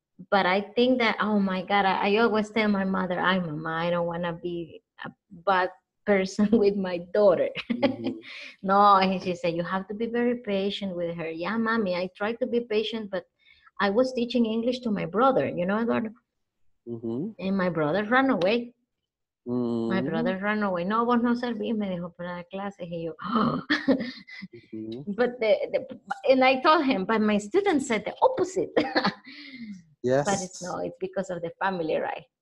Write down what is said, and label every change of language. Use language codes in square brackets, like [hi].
[en] But I think that, oh my God, I always tell my mother, I don't want to be a bad person with my daughter. Mm-hmm. No, and she said, you have to be very patient with her. Yeah, mommy, I tried to be patient, but I was teaching English to my brother, you know, Eduardo? Mm-hmm. And my brother ran away. Mm-hmm. My brother ran away. [es] No, vos no servís, me dijo, para la clase. [en] He, oh. mm-hmm. But and I told him, but my students said the opposite. Yes. But it's, no, it's because of the family, right?